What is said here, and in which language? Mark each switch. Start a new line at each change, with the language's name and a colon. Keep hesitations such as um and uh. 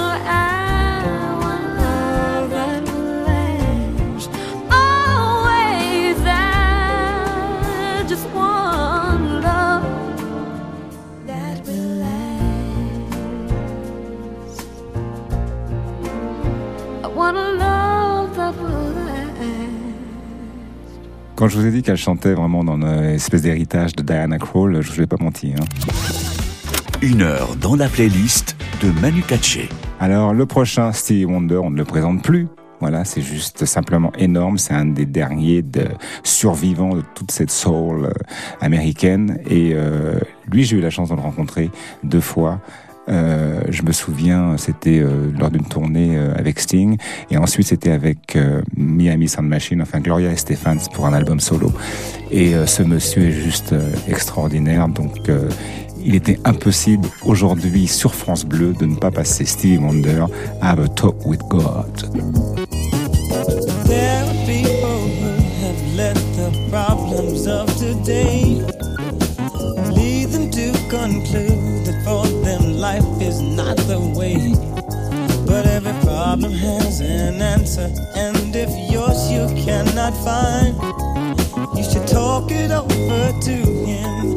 English: I want a love that lasts always. I just want love that will last. I want a love that will last.
French: Quand je vous ai dit qu'elle chantait vraiment dans une espèce d'héritage de Diana Krall, je ne vais pas mentir. hein. Une heure dans la playlist de Manu Katché. Alors, le prochain, Stevie Wonder, on ne le présente plus. Voilà, c'est juste simplement énorme. C'est un des derniers de survivants de toute cette soul euh, américaine. Et euh, lui, j'ai eu la chance de le rencontrer deux fois. Euh, je me souviens, c'était euh, lors d'une tournée euh, avec Sting, et ensuite c'était avec euh, Miami Sound Machine, enfin Gloria Estefans pour un album solo. Et euh, ce monsieur est juste euh, extraordinaire, donc euh, il était impossible aujourd'hui sur France Bleu de ne pas passer Stevie Wonder, Have a Talk with God.
English: There are people who have let the problems of today lead them to conclude that for them life is not the way. But every problem has an answer, and if yours you cannot find, you should talk it over to him.